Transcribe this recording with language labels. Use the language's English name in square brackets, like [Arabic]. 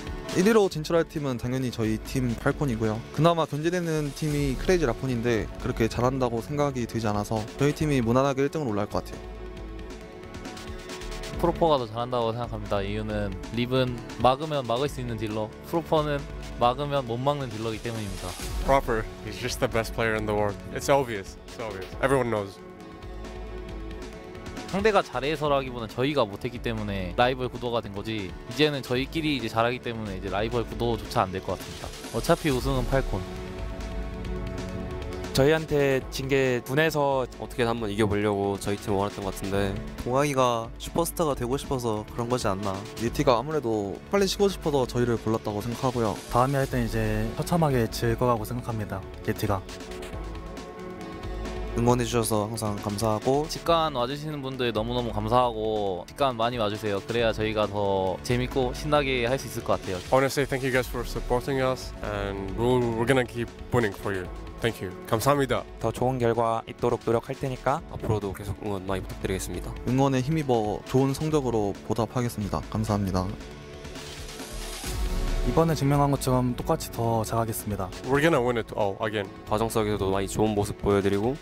[Korean] 1위로 진출할 팀은 당연히 저희 팀 팔콘이고요. 그나마 견제되는 팀이 크레이지 라쿤인데 그렇게 잘한다고 생각이 되지 않아서 저희 팀이 무난하게 1등으로 올라갈 것 같아요. 프로퍼가 더 잘한다고 생각합니다. 이유는 립은 막으면 막을 수 있는 딜러, 프로퍼는 막으면 못 막는 딜러이기 때문입니다. [English] Proper is just the best player in the world. It's obvious. It's obvious. Everyone knows. [Korean] 상대가 잘해서라기보다는 저희가 못했기 때문에 라이벌 구도가 된 거지, 이제는 저희끼리 이제 잘하기 때문에 이제 라이벌 구도조차 안 될 것 같습니다. 어차피 우승은 팔콘. 저희한테 진 게 분해서 어떻게든 한번 이겨보려고 저희 팀 원했던 것 같은데, 동아이가 슈퍼스타가 되고 싶어서 그런 거지 않나. 니티가 아무래도 빨리 쉬고 싶어서 저희를 골랐다고 생각하고요. 다음에 할 때는 이제 처참하게 질 거라고 생각합니다. 니티가 응원해주셔서 항상 감사하고 직관 와주시는 분들 너무너무 감사하고 직관 많이 와주세요. 그래야 저희가 더 재밌고 신나게 할 수 있을 것 같아요. [English] I want to say thank you guys for supporting us and we're gonna keep winning for you. Thank you. [Korean] 감사합니다. 더 좋은 결과 있도록 노력할 테니까 앞으로도 계속 응원 많이 부탁드리겠습니다. 응원에 힘입어 좋은 성적으로 보답하겠습니다. 감사합니다. 이번에 증명한 것처럼 똑같이 더 잘하겠습니다. [English] We're gonna win it all again. [Korean] 과정 속에서도 많이 좋은 모습 보여드리고